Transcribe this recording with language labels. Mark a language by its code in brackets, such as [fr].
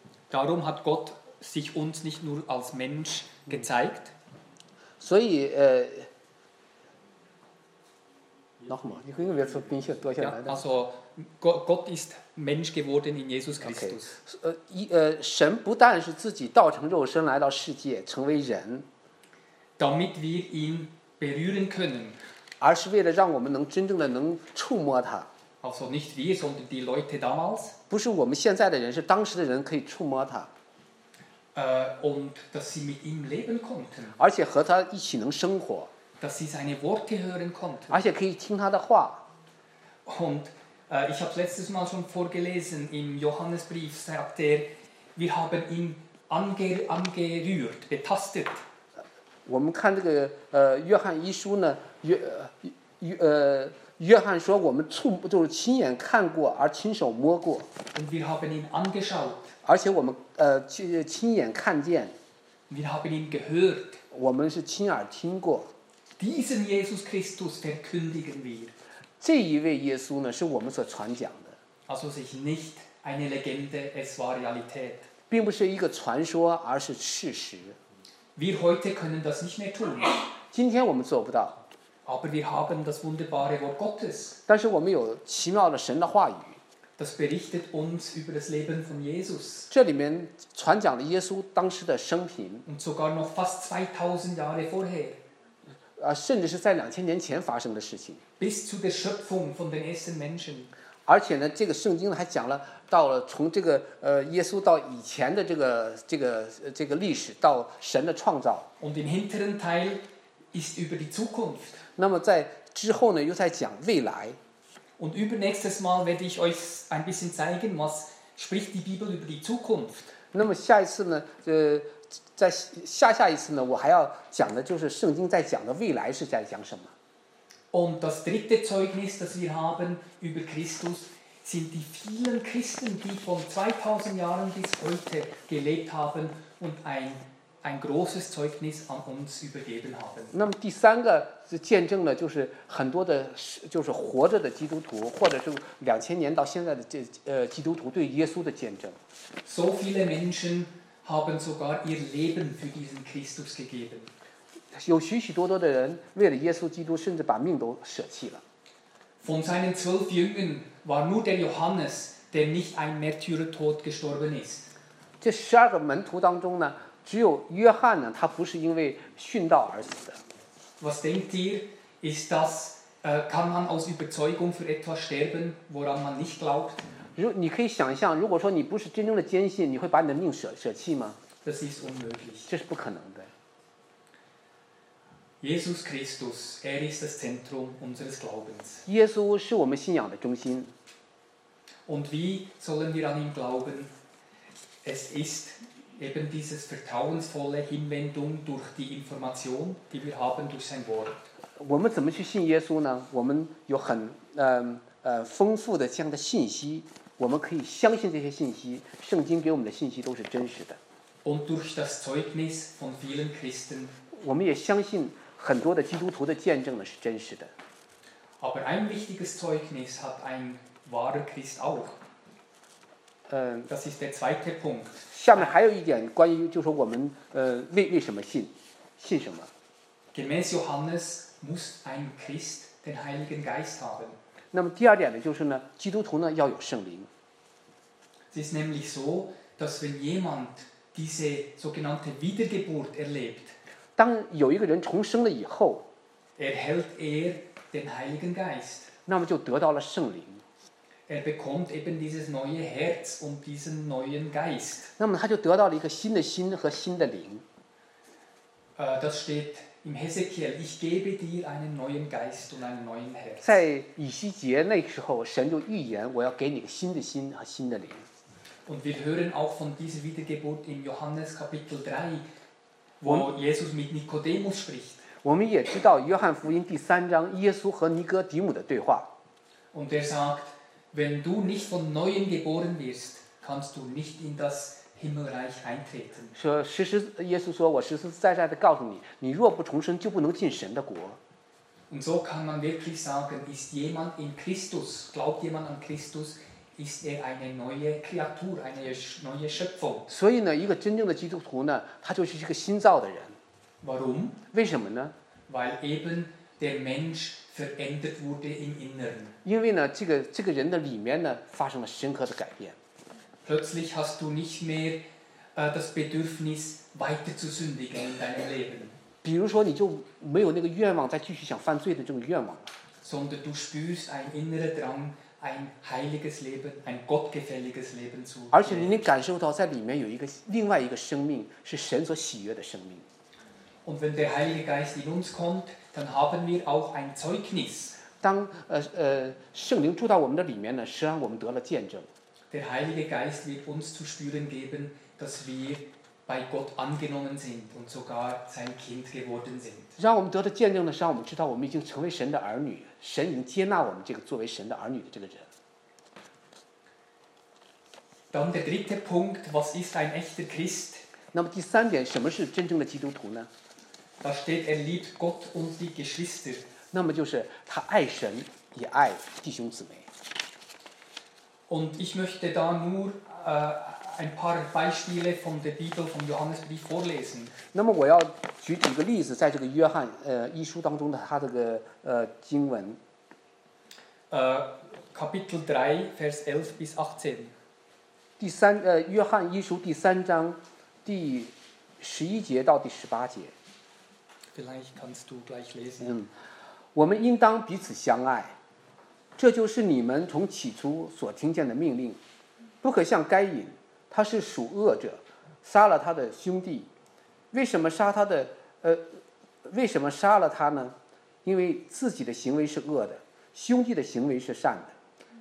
[de] Darum hat Gott sich uns nicht nur als Mensch gezeigt. 所以Nochmal, ich will jetzt ein bisschen durcheinander. Ja, also Gott ist Mensch geworden in Jesus Christus. Okay. [zh] 神不但是自己道成肉身来到世界，成为人。 [de] Damit wir ihn berühren können. [zh] 而是为了让我们能真正的能触摸他。 [de] Also nicht wir, sondern die Leute damals. [zh] 不是我们现在的人，是当时的人可以触摸他。 [de] Und dass sie mit ihm leben konnten. [zh] 而且和他一起能生活。 [de] Dass sie seine Worte hören konnten. [zh] 而且可以听他的话。 [de] Und ich habe letztes Mal schon vorgelesen im Johannesbrief, sagt wir haben ihn angerührt, betastet. [zh] 我们看这个约翰一书呢，约翰说我们就是亲眼看过，而亲手摸过。 [de] Und wir haben ihn angeschaut. [zh] 而且我们亲眼看见。 [de] Wir haben ihn gehört. [zh] 我们是亲耳听过。 [de] Diesen Jesus Christus verkündigen wir. [zh] 这一位耶稣呢，是我们所传讲的。 [de] Also es ist nicht eine Legende, es war Realität. [zh] 并不是一个传说，而是事实。 [de] Wir heute können das nicht mehr tun. [zh] 今天我们做不到。 [de] Aber wir haben das wunderbare Wort Gottes. [zh] 但是我们有奇妙的神的话语。 [de] Das berichtet uns über das Leben von Jesus. [zh] 这里面传讲了耶稣当时的生平。 [de] Und sogar noch fast 2000 Jahre vorher. [zh] 甚至是在2000年前发生的事情。 [de] Bis zu der Schöpfung von den ersten Menschen. [zh] 而且呢，这个圣经还讲了到了从这个耶稣到以前的这个历史，到神的创造。 [de] Und im hinteren Teil ist über die Zukunft. [zh] 那么在之后呢，又在讲未来。 [de] Und übernächstes Mal werde ich euch ein bisschen zeigen, was spricht die Bibel über die Zukunft. [zh] 那么下一次呢，在下下一次呢，我还要讲的就是圣经在讲的未来是在讲什么。 [de] Und das dritte Zeugnis, das wir haben über Christus, sind die vielen Christen, die von 2000 Jahren bis heute gelebt haben und ein großes Zeugnis an uns übergeben haben. [zh] 那么第三个见证呢，就是很多的，就是活着的基督徒，或者是2000年到现在的基督徒对耶稣的见证。 [de] So viele Menschen. Haben sogar ihr Leben für diesen Christus gegeben. [zh] 有许许多多的人为了耶稣基督，甚至把命都舍弃了。 [de] Von seinen 12 Jüngern war nur der Johannes, der nicht ein Märtyrertod gestorben ist. [zh] 这十二个门徒当中呢，只有约翰呢，他不是因为殉道而死的。 [de] Was denkt ihr, ist das, kann man aus Überzeugung für etwas sterben, woran man nicht glaubt? [zh] 你可以想象，如果说你不是真正的坚信，你会把你的命舍弃吗？ [de] Das ist unmöglich. [zh] 这是不可能的。 [de] Jesus Christus, ist das Zentrum unseres Glaubens. [zh] 耶稣是我们信仰的中心。 [de] Und wie sollen wir an ihn glauben? Es ist eben dieses vertrauensvolle Hinwendung durch die Information, die wir haben durch sein Wort. [zh] 我们怎么去信耶稣呢？我们有很丰富的这样的信息，我们可以相信这些信息，圣经给我们的信息都是真实的。 [de] Und durch das Zeugnis von vielen Christen, [zh] 我们也相信很多的基督徒的见证呢是真实的。 [de] Aber ein wichtiges Zeugnis hat ein wahrer Christ auch. Das ist der zweite Punkt. [zh] 下面还有一点关于就是我们为什么信。信什么？ [de] Gemäß Johannes muss ein Christ den Heiligen Geist haben. [zh] 那么第二点呢，就是呢，基督徒呢要有圣灵。 [de] Es ist nämlich so, dass wenn jemand diese sogenannte Wiedergeburt erlebt, [zh] 当有一个人重生了以后， [de] erhält er den Heiligen Geist. [zh] 那么就得到了圣灵。 [de] Er bekommt eben dieses neue Herz und diesen neuen Geist. [zh] 那么他就得到了一个新的心和新的灵。 [de] Das steht im Hesekiel, ich gebe dir einen neuen Geist und einen neuen Herz. [zh] 在以西结那时候，神就预言，我要给你个新的心和新的灵。 [de] Und wir hören auch von dieser Wiedergeburt in Johannes Kapitel 3, wo Jesus mit Nikodemus spricht. [zh] 我们也知道约翰福音第三章耶稣和尼哥底母的对话。 [de] Und er sagt, wenn du nicht von Neuem geboren wirst, kannst du nicht in das Himmelreich eintreten. [zh] 说实实，耶稣说，我实实在在的告诉你，你若不重生，就不能进神的国。 [de] Und so kann man wirklich sagen, ist jemand in Christus, glaubt jemand an Christus, ist er eine neue Kreatur, eine neue Schöpfung. [zh] 所以呢，一个真正的基督徒呢，他就是一个新造的人。 [de] Warum? [zh] 为什么呢？ [de] Weil eben der Mensch verändert wurde im Inneren. [zh] 因为呢，这个人的里面呢，发生了深刻的改变。 [de] Plötzlich hast du nicht mehr das Bedürfnis, weiter zu sündigen in deinem Leben. [zh] 比如说，你就没有那个愿望再继续想犯罪的这种愿望了。 [de] Sondern du spürst einen inneren Drang, ein heiliges Leben, ein gottgefälliges Leben zu leben. [zh] 而且你能感受到，在里面有一个另外一个生命，是神所喜悦的生命。 [de] Und wenn der Heilige Geist in uns kommt, dann haben wir auch ein Zeugnis. [zh] 当圣灵住到我们的里面呢，实际上我们得了见证。 [de] Der Heilige Geist wird uns zu spüren geben, dass wir bei Gott angenommen sind und sogar sein Kind geworden sind. [zh] 让我们得到见证的是，让我们知道我们已经成为神的儿女，神已经接纳我们这个作为神的儿女的这个人。 [de] Dann der dritte Punkt, was ist ein echter Christ? [zh] 那么第三点，什么是真正的基督徒呢？ [de] Da steht, er liebt Gott und die Geschwister. [zh] 那么就是他爱神，也爱弟兄姊妹。 [de] Und ich möchte da nur ein paar Beispiele von der Bibel vom Johannesbrief vorlesen. [zh] 那么我要举几个例子，在这个约翰一书当中的他这个经文。 [de] Kapitel 3, Vers 11 bis 18. [zh] 第三约翰一书第三章第十一节到第十八节。 [de] Vielleicht kannst du gleich lesen. [zh] 我们应当彼此相爱。这就是你们从起初所听见的命令，不可像该隐，他是属恶者，杀了他的兄弟。为什么杀他的？为什么杀了他呢？因为自己的行为是恶的，兄弟的行为是善的。